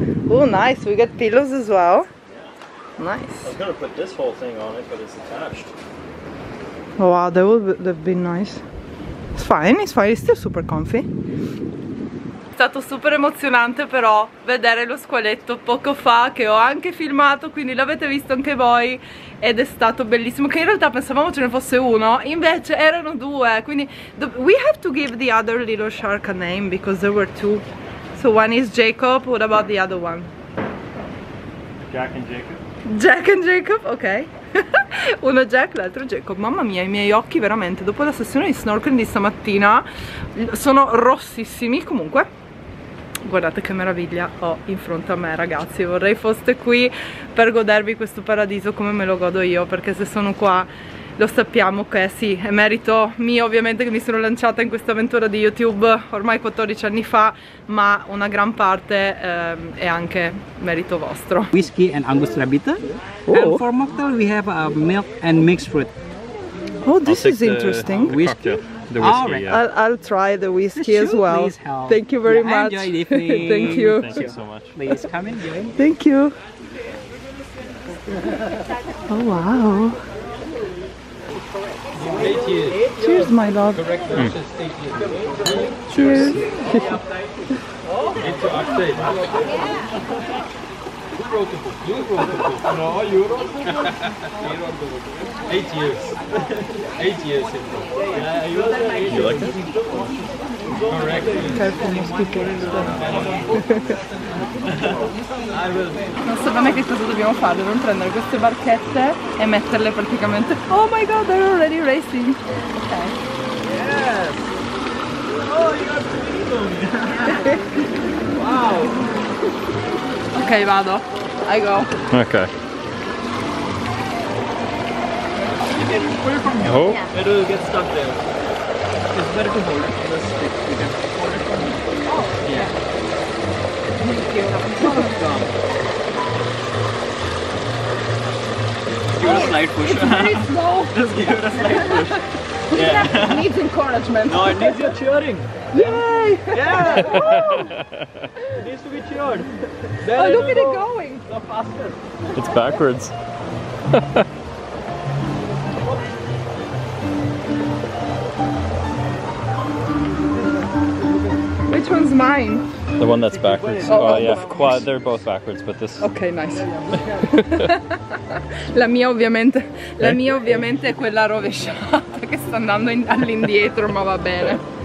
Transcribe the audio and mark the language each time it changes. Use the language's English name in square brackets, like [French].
[English] Oh nice, we got pillows as well. Yeah. Nice. I was gonna put this whole thing on it, but it's attached. Oh wow, that would have been nice. It's fine, it's still super comfy. [Italian] È stato super emozionante però vedere lo squaletto poco fa, che ho anche filmato, quindi l'avete visto anche voi, ed è stato bellissimo, che in realtà pensavamo ce ne fosse uno, invece erano due, quindi [English] we have to give the other little shark a name because there were two. So one is Jacob, what about the other one? Jack and Jacob. Jack and Jacob, ok. [Italian] Uno Jack, l'altro Jacob. Mamma mia, i miei occhi veramente, dopo la sessione di snorkeling di stamattina, sono rossissimi. Comunque, guardate che meraviglia ho in fronte a me, ragazzi. Vorrei foste qui per godervi questo paradiso come me lo godo io, perché se sono qua, lo sappiamo che sì, è merito mio ovviamente che mi sono lanciata in questa avventura di YouTube ormai 14 anni fa, ma una gran parte è anche merito vostro. [English] Whisky and Angostura bitter. Oh. And for mocktail we have milk and mixed fruit. Oh, this is interesting. The whisky, right. Yeah. I'll try the whisky as well. Thank you very much. Enjoy evening. Thank you. Thank you so much. Please come in. Thank you. Oh wow. Cheers, my love. Cheers. [Italian] Non so da me che cosa dobbiamo fare, dobbiamo prendere queste barchette e metterle praticamente. [English] Oh my god, they're already racing! Okay. Yes! Oh, you wow! [Italian] Ok, vado. [English] I go. Okay. Where from here? Oh. Yeah. It'll get stuck there. It's better to hold it. Let's stick. You can hold it from here. Oh, yeah. Give it a slight push. It's very slow. Just give it a slight push. Yeah. Needs encouragement. No, it needs your cheering. Yay! Yeah! It needs to be cheered. Then oh, look at it going. Go faster. It's backwards. Which one's mine? The one that's backwards. Oh, oh yeah, quad, they're both backwards, but this... Okay, nice. [Italian] La mia ovviamente, la mia ovviamente è quella rovesciata che sta andando all'indietro, ma va bene.